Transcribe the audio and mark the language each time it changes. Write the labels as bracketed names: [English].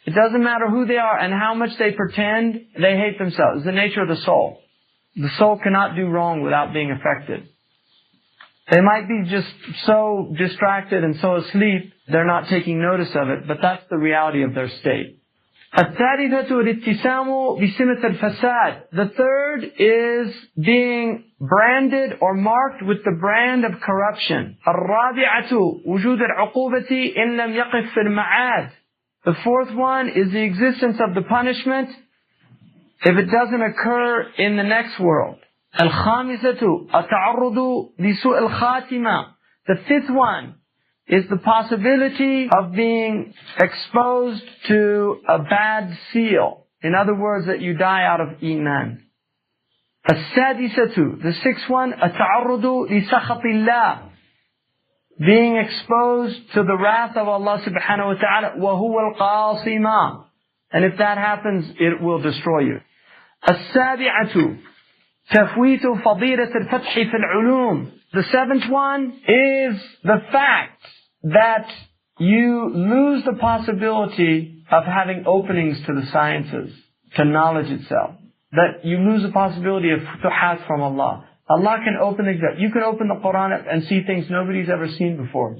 [English] It doesn't matter who they are and how much they pretend, they hate themselves. It's the nature of the soul. The soul cannot do wrong without being affected. They might be just so distracted and so asleep, they're not taking notice of it, but that's the reality of their state. [Arabic] الثالثة الاتسام بسمة الفساد. [English] The third is being branded or marked with the brand of corruption. [Arabic] الرابعة وجود العقوبة إن لم يقف في المعاد. [English] The fourth one is the existence of the punishment if it doesn't occur in the next world. [Arabic] الخامسة التعرض لسوء الخاتمة. [English] The fifth one is the possibility of being exposed to a bad seal. In other words, that you die out of iman. [Arabic] السادسة, [English] the sixth one, [Arabic] التعرض لسخط الله. [English] Being exposed to the wrath of Allah subhanahu wa ta'ala. [Arabic] وهو القاصمة. [English] And if that happens, it will destroy you. [Arabic] السابعة, تفويت فضيلة الفتح في العلوم. [English] The seventh one is the fact that you lose the possibility of having openings to the sciences, to knowledge itself. That you lose the possibility of futuhat from Allah. Allah can open the gate. You can open the Quran and see things nobody's ever seen before.